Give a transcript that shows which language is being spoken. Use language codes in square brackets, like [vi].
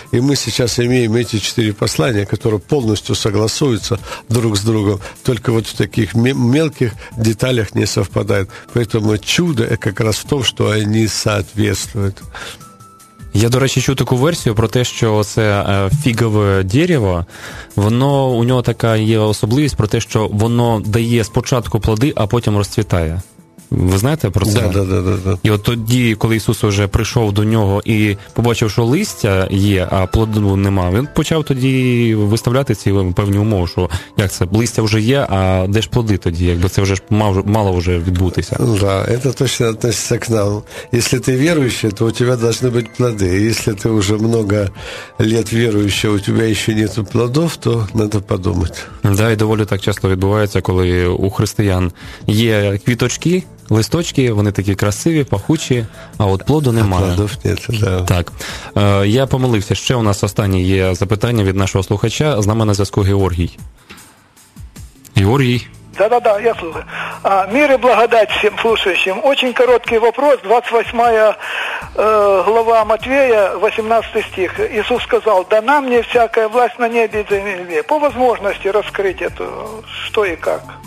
[ru] И мы сейчас имеем эти четыре послания, которые полностью согласуются друг с другом, только вот в таких мелких деталях не совпадает. Поэтому чудо как раз в том, что они соответствуют. [uk] Я, до речі, чув таку версію про те, що це фігове дерево, воно, у нього така є особливість про те, що воно дає спочатку плоди, а потім розцвітає. Ви знаєте про це? [ru] Да. [uk] І от тоді, коли Ісус вже прийшов до нього і побачив, що листя є, а плоду нема, він почав тоді виставляти ці певні умови, що як це, листя вже є, а де ж плоди тоді? Якби це вже мало вже відбутися. Так, це точно відноситься к нам. Якщо ти віруючий, то у тебе повинні бути плоди. Якщо ти вже багато років віруючий, у тебе ще нету плодів, то треба подумати. Да, і доволі так часто відбувається, коли у християн є квіточки, листочки, вони такі красиві, пахучі, а от плоду немає. [ru] Плодов нет, да. [uk] Так. Я помилився, ще у нас останнє є запитання від нашого слухача. З нами на зв'язку Георгій. Георгій. [ru] Да, я слушаю. Мир и благодать всем слушающим. Очень короткий вопрос. 28 глава Матвея, 18 стих. Иисус сказал: «Дана мне всякая власть на небе и земле». По возможности раскрыть это, что и как.